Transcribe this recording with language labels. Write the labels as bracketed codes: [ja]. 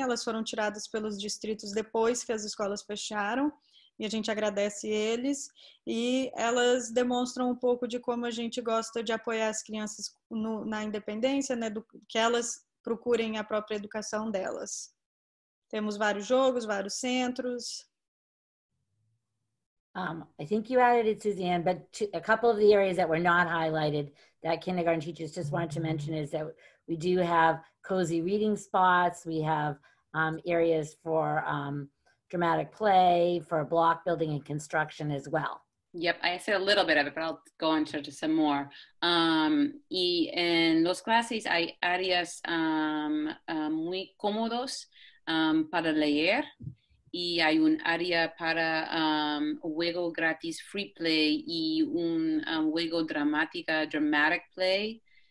[pt] Elas foram tiradas pelos distritos depois que as escolas fecharam. E a gente agradece eles. E elas demonstram um pouco de como a gente gosta de apoiar as crianças no, na independência, né, do, que elas procurem a própria educação delas. Temos vários jogos, vários centros. [en] I think you added it, Suzanne, but a couple of the areas that were not highlighted that kindergarten teachers just wanted to mention is that we do have cozy reading spots, we have areas for dramatic play, for block building and construction as well. Yep, I said a little bit of it, but I'll go into some more. [es] Y en los clases hay áreas muy cómodos para leer. Y hay un área para juego gratis [en] free play [es] y un juego dramática [en] dramatic play.